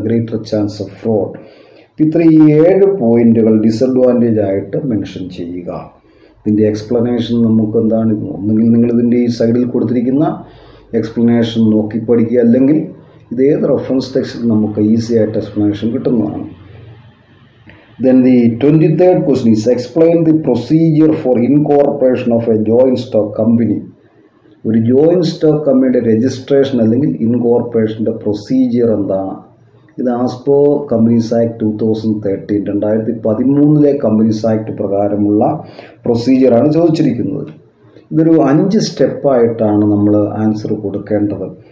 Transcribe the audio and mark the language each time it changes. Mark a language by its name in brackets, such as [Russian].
[English] Greater chance of fraud. [Malayalam] ഇത്രയും ഈ 7 പോയിൻറ്റുകൾ disadvantage ആയിട്ട് മെൻഷൻ ചെയ്യുക. ഇതിൻ്റെ എക്സ്പ്ലനേഷൻ നമുക്ക് എന്താണ്? ഒന്നുകിൽ നിങ്ങളിതിൻ്റെ ഈ സൈഡിൽ കൊടുത്തിരിക്കുന്ന എക്സ്പ്ലനേഷൻ നോക്കി പഠിക്കുക, അല്ലെങ്കിൽ ഇതേത് റെഫറൻസ് ടെക്സ്റ്റിൽ നമുക്ക് ഈസി ആയിട്ട് എക്സ്പ്ലനേഷൻ കിട്ടുന്നതാണ്. [English] Then the 23rd question is, explain the procedure for incorporation of a joint stock company. [Malayalam] ഒരു ജോയിൻറ്റ് സ്റ്റോക്ക് കമ്പനിയുടെ രജിസ്ട്രേഷൻ അല്ലെങ്കിൽ ഇൻകോർപ്പറേഷൻ്റെ പ്രൊസീജിയർ എന്താണ്? ഇത് ആസ്പോ കമ്പനീസ് ആക്ട് 2013 2013 കമ്പനീസ് ആക്ട് പ്രകാരമുള്ള പ്രൊസീജിയറാണ് ചോദിച്ചിരിക്കുന്നത്. ഇതൊരു 5 സ്റ്റെപ്പായിട്ടാണ് നമ്മൾ ആൻസർ കൊടുക്കേണ്ടത്.